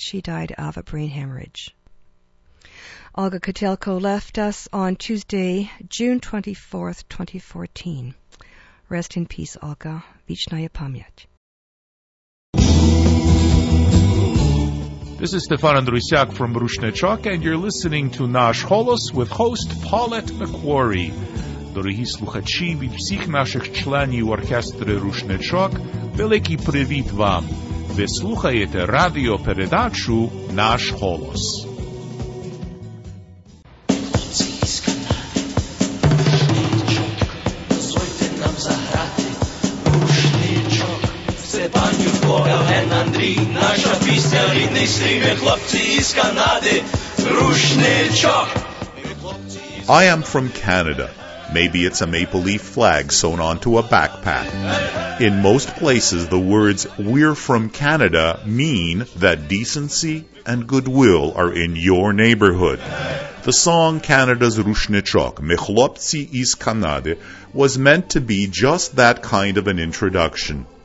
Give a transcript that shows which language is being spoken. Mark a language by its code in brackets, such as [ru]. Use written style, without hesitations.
[en] She died of a brain hemorrhage. Olga Kotelko left us on Tuesday, June 24th, 2014. Rest in peace, Olga. [ru] Vechnaya Pamyat. [en] This is Stefan Andrusiak from Rushnechok, and you're listening to Nash Holos with host Paulette McQuarrie. [uk] Дорогі слухачі, від всіх наших членів оркестри Рушничок, великий привіт вам! Ви слухаєте радіопередачу «Наш голос». Дозвольте нам заграти Рушничок. Степанюк, Олен Андрій, наша пісня, рідний стрім, хлопці із Канади, Рушничок! [en] I am from Canada. Maybe it's a maple leaf flag sewn onto a backpack. In most places, the words, we're from Canada, mean that decency and goodwill are in your neighborhood. The song Canada's Rushnichok, [uk] Ми хлопці із Канади, [en] was meant to be just that kind of an introduction.